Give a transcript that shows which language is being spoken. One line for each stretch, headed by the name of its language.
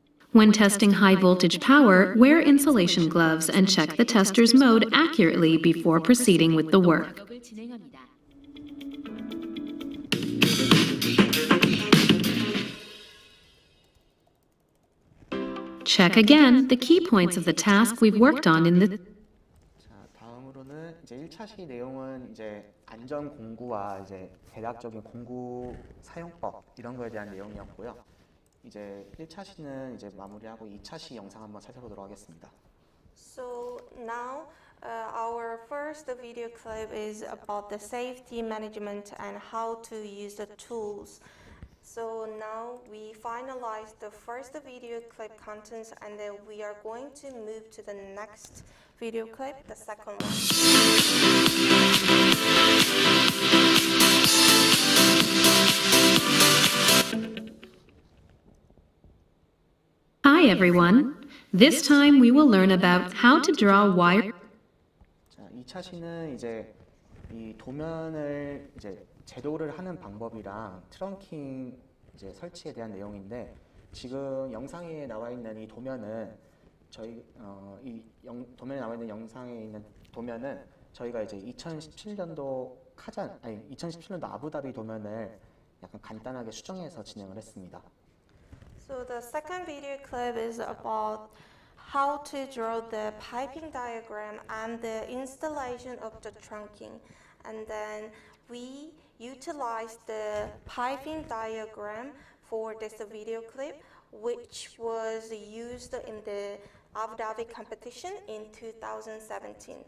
English: When testing high voltage power, wear insulation gloves and check the tester's mode accurately before proceeding with the work. Check again the key points of the task we've worked on in the
Korean: 다음으로는 이제 1차 시 내용은 이제 안전 공구와 이제 대략적인 공구 사용법 이런 거에 대한 내용이었고요. 이제 1차 시는 이제 마무리하고 2차 시 영상 한번 살펴보도록 하겠습니다.
English: So now, our first video clip is about the safety management and how to use the tools. So now we finalized the first video clip contents, and then we are going to move to the next video clip, the second one. Hi everyone. This time we will learn about how to draw wire.
Korean: 자, 2차 시는 이제 이 도면을 이제 제도를 하는 방법이랑 트렁킹 이제 설치에 대한 내용인데, 지금 영상에 나와 있는 이 도면은 저희 이 도면에 나와 있는 영상에 있는 도면은 저희가 이제 2017년도 카잔 아니 2017년도 아부다비 도면을 약간 간단하게 수정해서 진행을 했습니다.
English: So the second video clip is about how to draw the piping diagram and the installation of the trunking. And then we utilized the piping diagram for this video clip, which was used in the Abu Dhabi competition in 2017.